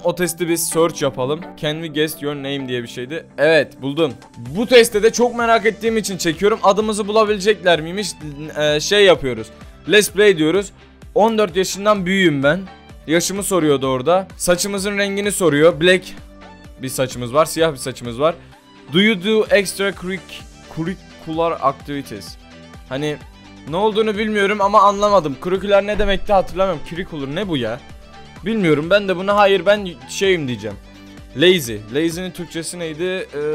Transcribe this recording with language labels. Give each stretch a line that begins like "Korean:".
Turkish: O testi biz search yapalım.
English: Can we guess your name
Turkish: diye bir şeydi. Evet buldum. Bu testte de çok merak ettiğim için çekiyorum. Adımızı bulabilecekler miymiş? Şey yapıyoruz.
English: Let's play
Turkish: diyoruz. 14 yaşından büyüğüm ben. Yaşımı soruyordu orada. Saçımızın rengini soruyor. Black bir saçımız var. Siyah bir saçımız var.
English: Do you do extra curricular activities?
Turkish: Hani ne olduğunu bilmiyorum ama anlamadım. Curricular ne demekti hatırlamıyorum. Curricular ne bu ya? Bilmiyorum ben de buna hayır ben şeyim diyeceğim. Lazy. Lazy'nin Türkçesi neydi?